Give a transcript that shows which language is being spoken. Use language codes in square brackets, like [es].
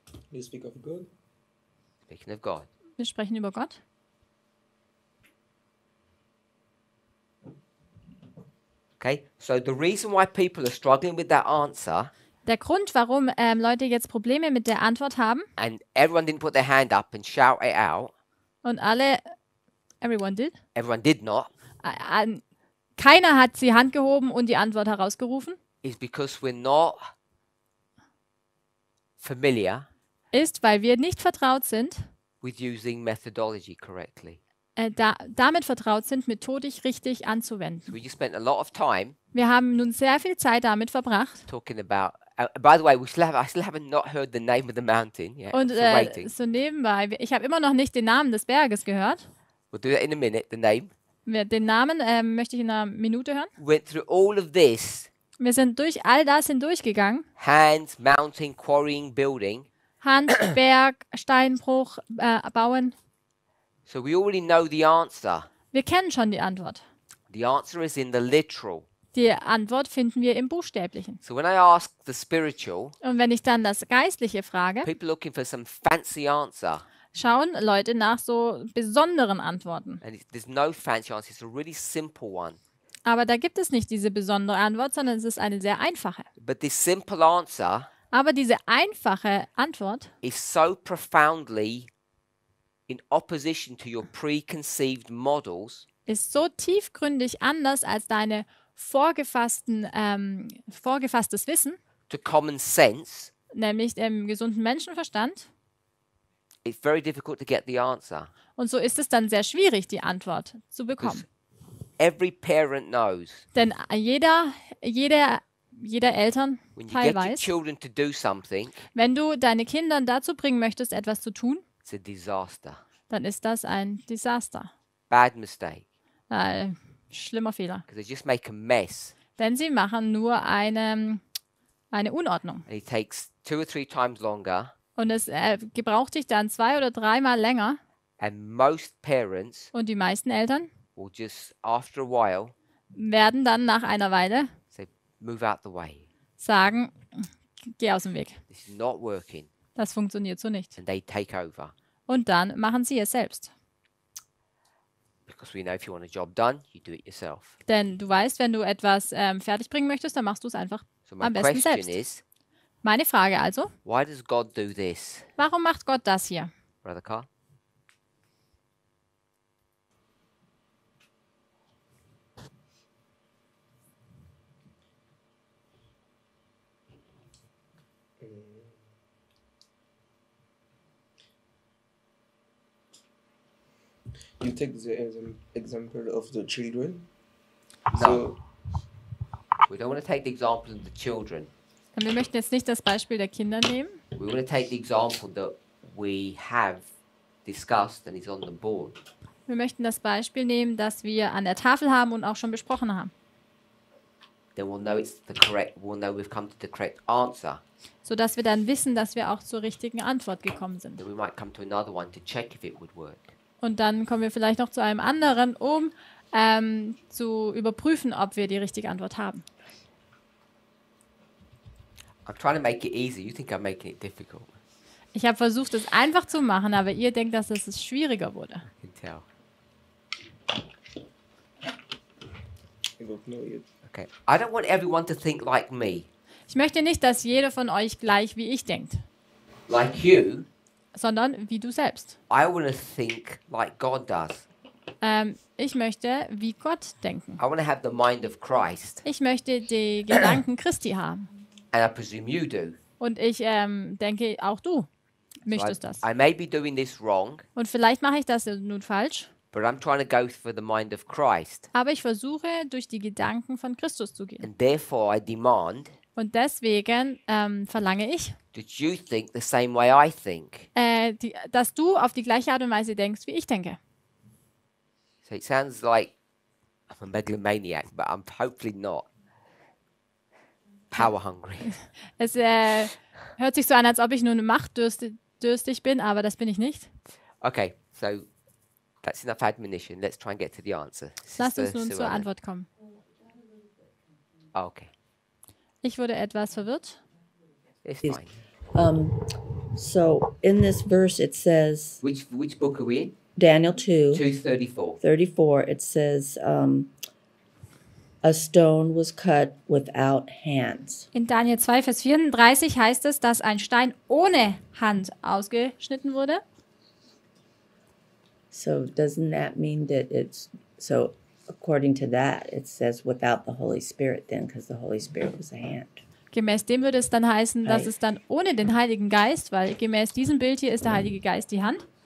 [en] We speak of God. Speaking of God. [de] Wir sprechen über Gott. [en] Okay, so the reason why people are struggling with that answer. [de] Der Grund, warum Leute jetzt Probleme mit der Antwort haben. [en] And everyone didn't put their hand up and shout it out. [de] Und alle, [en] everyone did. Everyone did not. [de] Keiner hat die Hand gehoben und die Antwort herausgerufen. [en] Is because we're not familiar. [de] Ist, weil wir nicht vertraut sind. [en] With using methodology correctly. [de] Damit vertraut sind, methodisch richtig anzuwenden. [en] So we just spent a lot of time. Wir haben nun sehr viel Zeit damit verbracht. Talking about. By the way, I still have not heard the name of the mountain yet. [de] Und so nebenbei, ich habe immer noch nicht den Namen des Berges gehört. [en] We'll do that in a minute. The name. [de] Den Namen möchte ich in einer Minute hören. [en] Went through all of this. [de] Wir sind durch all das hindurchgegangen. [en] Hands, mountain, quarrying, building. [de] Hand, Berg, Steinbruch, bauen. [en] So we already know the answer. [de] Wir kennen schon die Antwort. [en] The answer is in the literal. [de] Die Antwort finden wir im Buchstäblichen. [en] So when I ask the spiritual, [de] und wenn ich dann das Geistliche frage, [en] people looking for some fancy answer. [de] Schauen Leute nach so besonderen Antworten. [en] And there's no fancy answer, it's a really simple one. [de] Aber da gibt es nicht diese besondere Antwort, sondern es ist eine sehr einfache. [en] But this simple answer, [de] aber diese einfache Antwort ist so [en] profoundly in opposition to your preconceived models, [de] ist so tiefgründig anders als deine vorgefasstes Wissen, [en] to common sense, [de] nämlich dem gesunden Menschenverstand. [en] It's very difficult to get the answer. [de] Und so ist es dann sehr schwierig, die Antwort zu bekommen. [en] Every parent knows, [de] denn jeder Elternteil weiß, [en] your children to do something, [de] wenn du deine Kinder dazu bringen möchtest, etwas zu tun, [en] it's a disaster. [de] Dann ist das ein Desaster. [en] Bad mistake. [de] Schlimmer Fehler. [en] They just make a mess. [de] Denn sie machen nur eine Unordnung. [en] And it takes two or three times longer. [de] Und es gebraucht dich dann zwei oder dreimal länger. [en] And most parents, [de] und die meisten Eltern, [en] will just after a while, [de] werden dann nach einer Weile, [en] say, move out the way, [de] sagen, geh aus dem Weg. [en] This is not working. [de] Das funktioniert so nicht. [en] And they take over. [de] Und dann machen sie es selbst. [en] Because we know if you want a job done, you do it yourself. [de] Denn du weißt, wenn du etwas fertig bringen möchtest, dann machst du es einfach so am besten [en] question [de] selbst. [en] Is, [de] meine Frage also, [en] why does God do this? [de] Warum macht Gott das hier? [en] Brother Carl? You take the example of the children. No. So we don't want to take the example of the children. [de] Und wir möchten jetzt nicht das Beispiel der Kinder nehmen. [en] We want to take the example that we have discussed and is on the board. [de] Wir möchten das Beispiel nehmen, das wir an der Tafel haben und auch schon besprochen haben. [en] Then we'll know it's the correct. We'll know we've come to the correct answer. [de] So dass wir dann wissen, dass wir auch zur richtigen Antwort gekommen sind. [en] Then we might come to another one to check if it would work. [de] Und dann kommen wir vielleicht noch zu einem anderen, um zu überprüfen, ob wir die richtige Antwort haben. [en] I'm trying to make it easy. You think I'm making it difficult. [de] Ich habe versucht, es einfach zu machen, aber ihr denkt, dass es schwieriger wurde. [en] I can tell. I don't know yet. Okay. I don't want everyone to think like me. [de] Ich möchte nicht, dass jeder von euch gleich wie ich denkt. [en] Like you. [de] Sondern wie du selbst. [en] I want to think like God does. [de] Ich möchte wie Gott denken. [en] I want to have the mind of Christ. [de] Ich möchte die Gedanken Christi haben. [en] And I presume you do. [de] Und ich denke, auch du möchtest so das. [en] I may be doing this wrong, [de] und vielleicht mache ich das nun falsch. [en] But I'm trying to go for the mind of Christ. [de] Aber ich versuche, durch die Gedanken von Christus zu gehen. [en] And therefore I demand, [de] Und deswegen verlange ich, [en] did you think the same way I think? [de] Dass du auf die gleiche Art und Weise denkst, wie ich denke. [en] So it sounds like I'm a megalomaniac, but I'm hopefully not power hungry. [de] Es hört sich so an, als ob ich nur machtdürstig bin, aber das bin ich nicht. [en] Okay, so that's enough admonition. Let's try and get to the answer. [de] Lass uns nun zur Antwort kommen. [en] Okay. [de] Ich wurde etwas verwirrt. [en] It's fine. So in this verse it says, which book are we in? Daniel 2. 2:34. It says, a stone was cut without hands. [de] In Daniel 2, Vers 34 heißt es, dass ein Stein ohne Hand ausgeschnitten wurde. [en] So doesn't that mean that it's so? According to that, it says without the Holy Spirit, then, because the Holy Spirit was a hand. [de] Gemäß dem würde es dann heißen, dass es dann ohne den Heiligen Geist, weil gemäß diesem Bild hier ist der Heilige Geist die Hand.